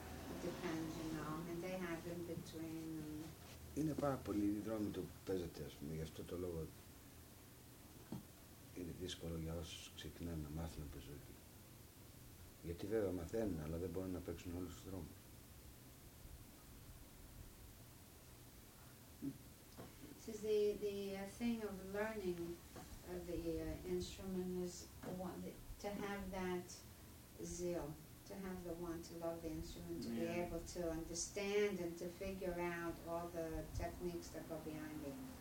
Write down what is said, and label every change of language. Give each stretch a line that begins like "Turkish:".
English: It depends, you know, and they have in between.
Greek: Είναι πάρα πολύ οι δρόμοι το που παίζεται, ας πούμε, γι' αυτό το λόγο είναι δύσκολο για όσους ξεκινάνε να μάθουν μπουζούκι. Γιατί βέβαια μαθαίνουν, αλλά δεν μπορούν να παίξουν όλους τους δρόμους.
English: Since the thing of learning the instrument is to have that zeal, to have the want to love the instrument, to be able to understand and to figure out all the techniques that go behind it.